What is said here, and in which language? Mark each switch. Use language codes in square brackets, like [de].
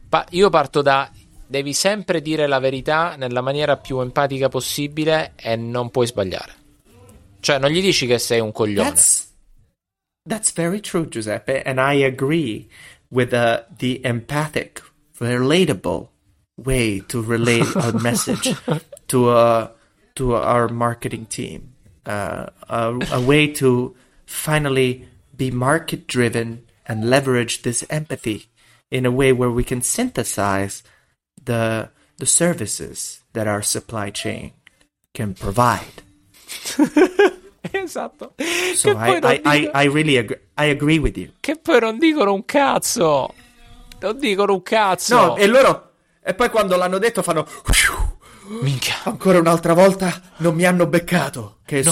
[it] Io parto da devi sempre dire la verità nella maniera più empatica possibile e non puoi sbagliare. Cioè non gli dici che sei un coglione. [en] That's very true, Giuseppe, and I agree with the empathic, relatable way to relay a message to our marketing team. A way to finally be market driven and leverage this empathy in a way where we can synthesize the services that our supply chain can provide. [it] Esatto. [en] So I really agree. I agree with you. [it] Che poi non dicono un cazzo. Non dicono un cazzo. No, e loro e poi quando l'hanno detto fanno minchia. Ancora un'altra volta non mi hanno beccato che no.